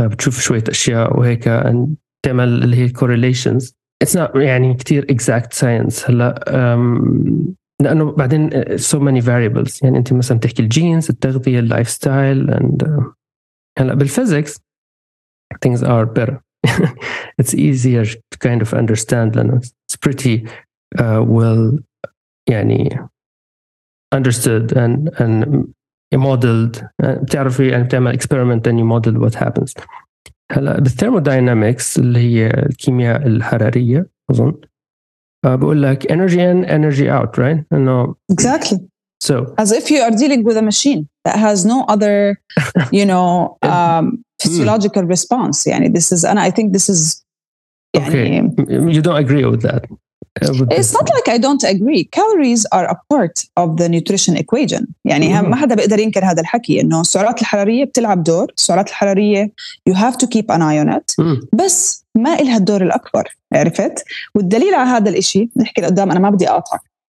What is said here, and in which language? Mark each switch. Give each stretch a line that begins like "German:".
Arabic: بتشوف شوية أشياء وهيك and تعمل اللي هي correlations.
English: It's not
Arabic: يعني كتير
English: exact science.
Arabic: هلا لأنه بعدين
English: so many variables.
Arabic: يعني أنت مثلا تحكي الجينز، التغذية، lifestyle and هلا بالphysics
English: things are better. It's easier to kind of understand. لأنه it's pretty well يعني understood and modeled.
Arabic: بتعرفي يعني بتعمل
English: experiment and you model what happens.
Arabic: هلا بالthermodynamics اللي هي الكيمياء الحرارية أظن بقول لك
English: energy in energy out, right? No. Exactly. So as if you are dealing with a machine that has no other you know physiological response. يعني this is and I think this is okay. يعني you don't agree with that. It's not like I don't agree. Calories are a part of the nutrition equation.
Arabic: يعني ما حدا بيقدر ينكر هذا الحكي إنه السعرات الحرارية بتلعب دور. السعرات الحرارية
English: you have to keep an eye on it.
Arabic: بس ما إلها الدور الأكبر. عرفت؟ والدليل على هذا الإشي نحكي لقدام أنا ما بدي أقاطعك.